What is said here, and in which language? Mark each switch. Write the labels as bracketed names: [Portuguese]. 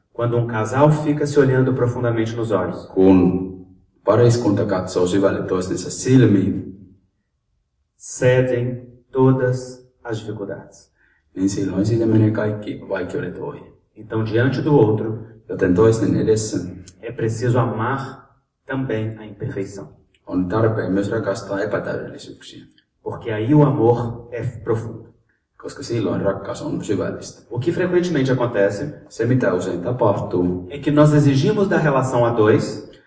[Portuguese] Quando casal fica se olhando profundamente nos olhos, [Finnish] kun pariskunta katsoo syvälle toistensa silmiin, [Portuguese] cedem todas as dificuldades. [Finnish] Niin silloin siinä menee kaikki vaikeudet ohi. [Portuguese] Então, diante do outro, [Finnish] joten toisten edessä, [Portuguese] é preciso amar também a imperfeição. [Finnish] On tarpeen myös rakastaa epätäydellisyyksiä. [Portuguese] Porque aí o amor é profundo. [Finnish] Koska silloin rakkaus on syvällistä. [Portuguese] O que frequentemente acontece, [Finnish] se mitä usein tapahtuu, [Portuguese] é que nós exigimos da relação a dois,